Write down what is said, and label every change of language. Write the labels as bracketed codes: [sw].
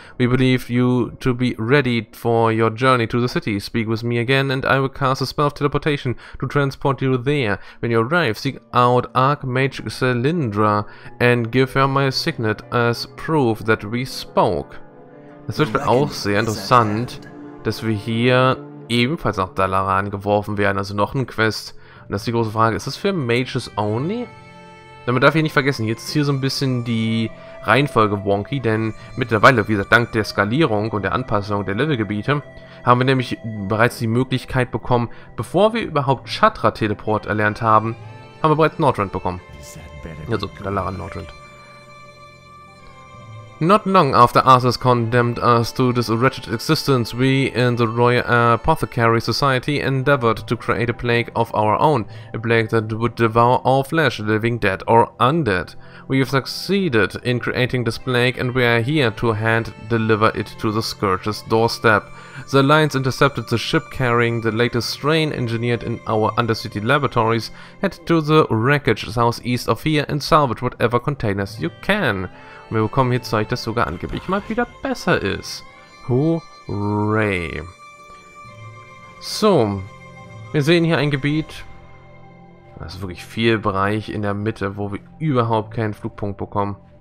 [en] We believe you to be ready for your journey to the city. Speak with me again and I will cast a spell of teleportation to transport you there. When you arrive, seek out Archmage Celindra and give her my signet as proof that we spoke. [de] Es ist auch sehr interessant, dass wir hier ebenfalls nach Dalaran geworfen werden, also noch ein Quest. Und das ist die große Frage, ist das für Mages only? Man darf hier nicht vergessen, jetzt hier so ein bisschen die Reihenfolge wonky, denn mittlerweile, wie gesagt, dank der Skalierung und der Anpassung der Levelgebiete, haben wir nämlich bereits die Möglichkeit bekommen, bevor wir überhaupt Chatra-Teleport erlernt haben, haben wir bereits Northrend bekommen. Also, Dalaran Northrend. [en] Not long after Arthur's condemned us to this wretched existence, we in the Royal Apothecary Society endeavored to create a plague of our own, a plague that would devour all flesh, living, dead or undead. We have succeeded in creating this plague and we are here to hand deliver it to the Scourge's doorstep. The Alliance intercepted the ship carrying the latest strain engineered in our undercity laboratories, head to the wreckage southeast of here and salvage whatever containers you can. [de] Wir bekommen hier Zeug, das sogar angeblich mal wieder besser ist. Hooray. So, wir sehen hier ein Gebiet. Das ist wirklich viel Bereich in der Mitte, wo wir überhaupt keinen Flugpunkt bekommen.